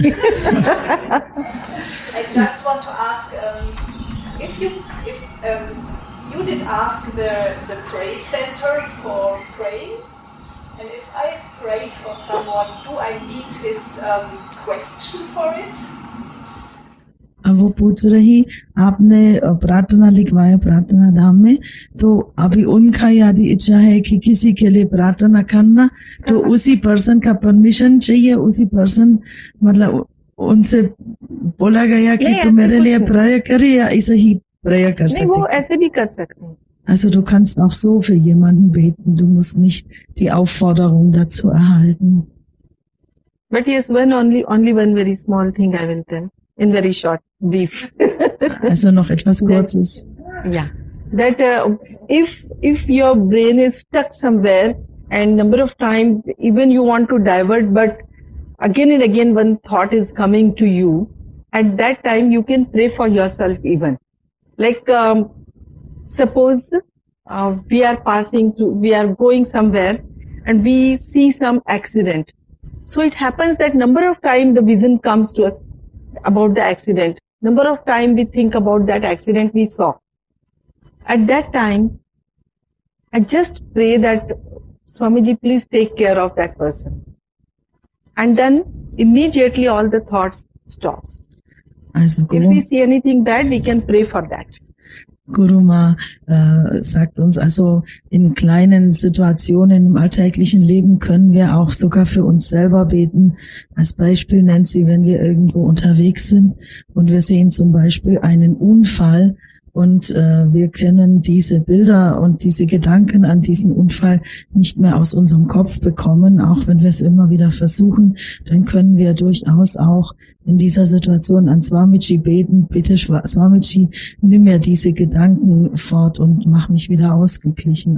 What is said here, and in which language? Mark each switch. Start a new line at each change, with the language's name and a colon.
English: I just want to ask, if you did ask the pray center for praying, and if I pray for someone, do I meet his question for it?
Hindi: वो पूछ रही आपने प्रार्थना लिखवाया प्रार्थना धाम में तो अभी उनका यदि इच्छा है कि किसी के लिए प्रार्थना करना तो उसी पर्सन का परमिशन चाहिए उसी पर्सन मतलब उनसे बोला गया कि तू मेरे लिए प्रेयर करे या ऐसे ही प्रेयर कर सकते वो ऐसे भी कर सकते हैं
German: Also du kannst auch so für jemanden beten du musst nicht die Aufforderung dazu erhalten
English: But yes only one very small thing I will tell in very short brief
German: also noch etwas kurzes
English: yeah that if your brain is stuck somewhere and number of times even you want to divert but again and again one thought is coming to you at that time you can pray for yourself even like suppose we are passing through we are going somewhere and we see some accident so it happens that number of time the vision comes to us about the accident number of time we think about that accident we saw at that time I just pray that Swamiji please take care of that person and then immediately all the thoughts stops
German: also,
English: if we see anything bad we can pray for that
German: Guruma sagt uns also in kleinen Situationen im alltäglichen Leben können wir auch sogar für uns selber beten. Als Beispiel nennt sie, wenn wir irgendwo unterwegs sind und wir sehen zum Beispiel einen Unfall und wir können diese Bilder und diese Gedanken an diesen Unfall nicht mehr aus unserem Kopf bekommen, auch wenn wir es immer wieder versuchen, dann können wir durchaus auch in dieser Situation an Swamiji beten, bitte Swamiji, nimm mir diese Gedanken fort und mach mich wieder ausgeglichen.